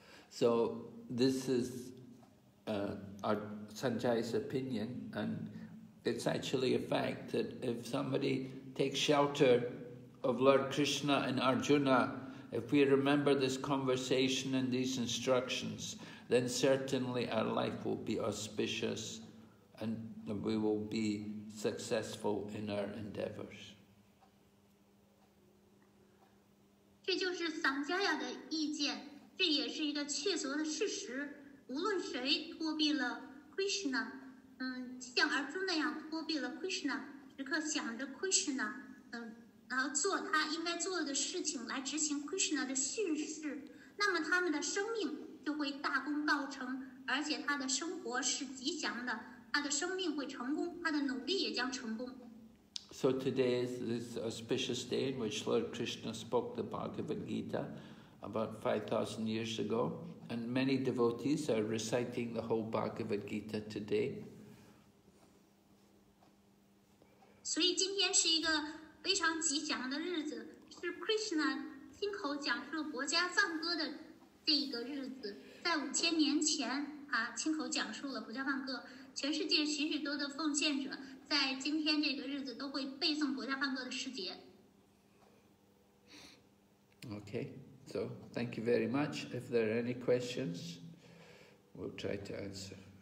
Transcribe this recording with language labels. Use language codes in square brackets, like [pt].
[en] So this is Sanjay's opinion and it's actually a fact that if somebody takes shelter of Lord Krishna and Arjuna, if we remember this conversation and these instructions, then certainly our life will be auspicious and we will be successful in our endeavors. [zh] 这就是桑加亚的意见，这也是一个确凿的事实。无论谁托庇了 Krishna， 像儿子那样托庇了 Krishna， 时刻想着 Krishna， 然后做他应该做的事情来执行 Krishna 的训示，那么他们的生命就会大功告成，而且他的生活是吉祥的。他的生命会成功，他的努力也将成功。 [en] So today is this auspicious day in which Lord Krishna spoke the Bhagavad Gita about 5,000 years ago, and many devotees are reciting the whole Bhagavad Gita today. [zh] 所以今天是一个非常吉祥的日子，是 Krishna 亲口讲述国家赞歌的这一个日子，在五千年前啊，亲口讲述了国家赞歌。全世界许许多的奉献者在今天这个日子都会背诵国家梵歌的诗节。 [en] Okay, so thank you very much. If there are any questions, we'll try to answer.